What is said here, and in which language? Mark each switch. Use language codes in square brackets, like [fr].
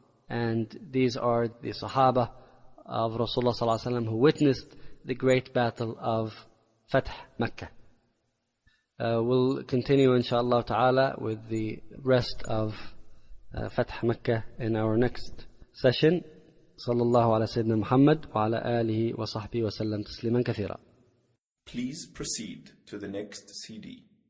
[en] And these are the Sahaba of Rasulullah sallallahu alayhi wa sallam who witnessed the great battle of Fath Mecca. We'll continue inshallah ta'ala with the rest of Fath Mecca in our next session. [ar] صلى الله على سيدنا محمد وعلى آله وصحبه وسلم تسليما كثيرا. [en] Please proceed to the next CD.